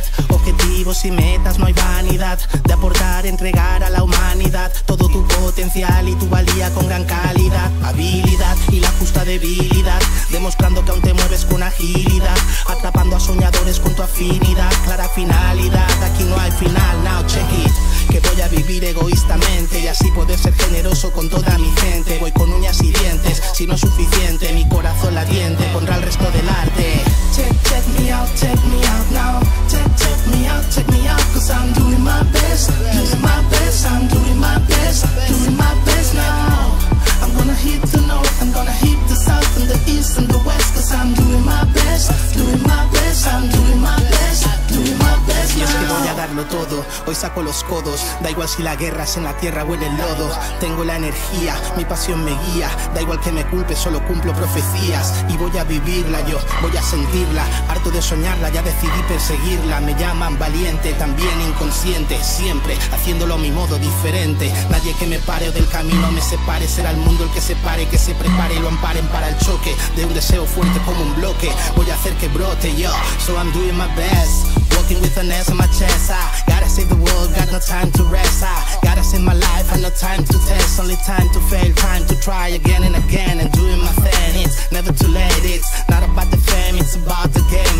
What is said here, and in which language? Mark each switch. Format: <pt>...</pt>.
<es>Objetivos y metas, no hay vanidad de aportar, entregar a la humanidad todo tu potencial y tu valía con gran calidad, habilidad y la justa debilidad, demostrando que aún te mueves con agilidad, atrapando a soñadores con tu afinidad, clara finalidad, aquí no hay final. Now check it, que voy a vivir egoístamente y así poder ser generoso con toda mi gente. Voy con uñas y dientes, si no es suficiente, mi corazón latiente pondrá el resto del arte.</es> <en>Check me out, check me out now. Check me out, check me out. Cause I'm doing my best, doing my best. I'm doing my best, doing my best now. I'm gonna hit the north, I'm gonna hit the south and the east and the west. Cause I'm doing my best, doing my best. I'm doing my best, doing my best now.</en> <es>Y es que voy a darlo todo, hoy saco los codos. Da igual si la guerra es en la tierra o en el lodo. Tengo la energía, mi pasión me guía. Da igual que me culpe, solo cumplo profecías. Y voy a vivirla yo, voy a sentirla. Harto de soñarla, ya decidí perseguirla. Me llaman valiente, también inconsciente. Siempre haciéndolo a mi modo, diferente. Nadie que me pare o del camino me separe. Será el mundo el que se pare, que se prepare y lo amparen para el choque de un deseo fuerte como un bloque. Voy a hacer que brote yo.</es> <en>So I'm doing my best, walking with an S on my chest. I gotta save the world, got no time to rest. I gotta save my life, and no time to test. Only time to fail, time to try again and again. And doing my thing, it's never too late. It's not about the fame, it's about the game.</en>